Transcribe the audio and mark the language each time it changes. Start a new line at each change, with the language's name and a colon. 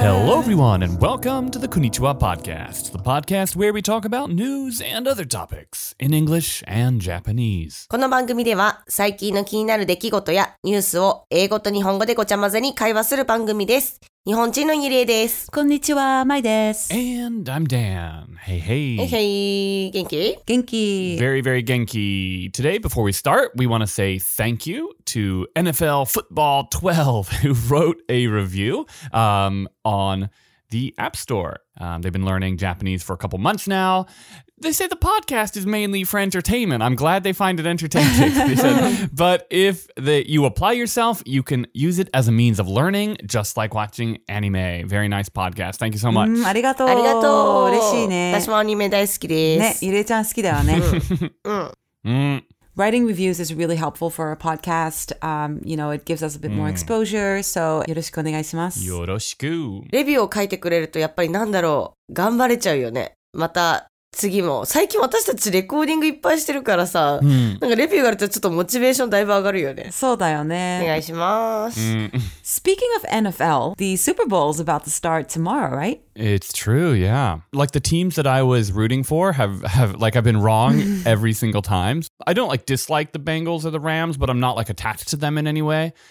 English: Hello, everyone, and welcome to the Konnichiwa Podcast, the podcast where we talk about news and other topics in English and Japanese.
Japanese: この番組では最近の気になる出来事やニュースを英語と日本語でごちゃ混ぜに会話する番組です。日本人のゆりえです。こんにちは、まいです。
English: And I'm Dan. Hey, hey. Hey, hey. 元気？
Japanese: 元気。
English: Very, very 元気。 Today, before we start, we want to say thank you to NFL Football 12, who wrote a review on the App Store. They've been learning Japanese for a couple months now. They say the podcast is mainly for entertainment. I'm glad they find it entertaining. They said. But if you apply yourself, you can use it as a means of learning, just like watching anime. Very nice podcast. Thank you so much.
Japanese: ありがとう。嬉しいね。私もアニメ大好きです。ね、ゆれちゃん好きだよね。
English: Writing reviews is really helpful for a podcast. You know, it gives us a bit more exposure.
Japanese: So, よろしくお願いします。よろしく。レビューを書いてくれると、やっぱりなんだろう、頑張れちゃうよね。また、次も最近私たちレコーディングいっぱいしてるからさ、うん、なんかレビューがあるとちょっとモチベーションだいぶ上がるよね。そうだよね。お願いします。
English: Speaking of NFL, the Super Bowl is about to start tomorrow, right? It's true, yeah. Like the teams that I was rooting for have been wrong every single time. I don't like dislike the Bengals or the Rams, but I'm not like attached to them in any way.